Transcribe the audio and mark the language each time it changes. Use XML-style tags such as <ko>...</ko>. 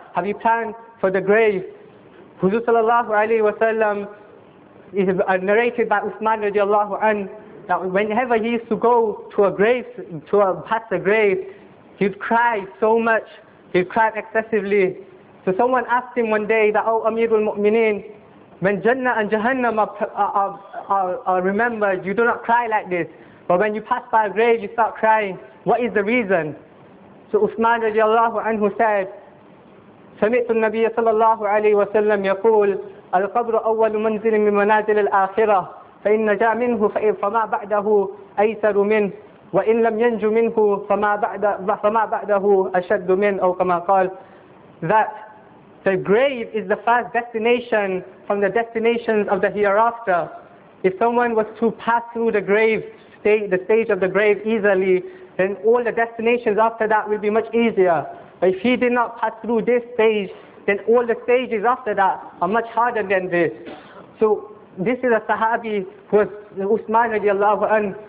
<en>Have we planned for the grave? Huzur sallallahu alayhi wa sallam is narrated by Uthman radiallahu anhu that whenever he used to go to a grave, past a grave, he'd cry so much. He cried excessively. So someone asked him one day that, oh Amirul Mu'mineen, when Jannah and Jahannam are remembered, you do not cry like this. But when you pass by a grave, you start crying. What is the reason? So Uthman radiallahu anhu said,</en> <ar>سمعت النبي صلى الله عليه وسلم يقول القبر أول منزل من منازل الآخرة فإن نجا منه فما بعده أيسر منه وإن لم ينج منه فما بعده أشد منه أو كما قال,</ar> <en>that the grave is the first destination from the destinations of the hereafter. If someone was to pass through the grave state, the stage of the grave easily, then all the destinations after that will be much easier. But if he did not pass through this stage, then all the stages after that are much harder than this. So this is a Sahabi who was Uthman radiallahu anhu.</en>